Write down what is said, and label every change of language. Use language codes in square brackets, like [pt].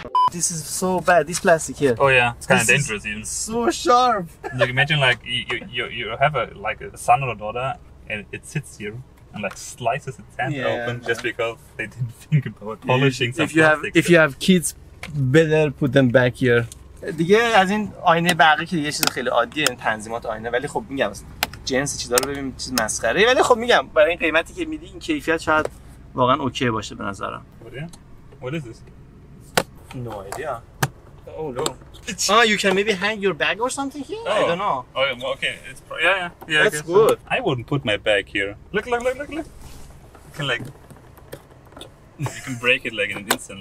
[en] This is so bad. This plastic here. Oh yeah, it's kind of dangerous. Even. So sharp. Like imagine like you have a like a son or a daughter and it sits here. And like slices its hand open just because they didn't think about polishing some plastic. If you have kids, better put them back here. [fa] دیگه از این آینه بقیه که یه چیز خیلی عادیه این تنظیمات آینه ولی خب میگم جنس چیزا رو ببینیم چیز مسخره ولی خب میگم برای این قیمتی که میدی این کیفیت شاید واقعا اوکی باشه به نظرم. [en] What is this? No idea. Oh, you can maybe hang your bag or something here? Oh. I don't know. Okay. It's yeah. That's good. So. I wouldn't put my bag here. Look. You can like you can break it like in an instant.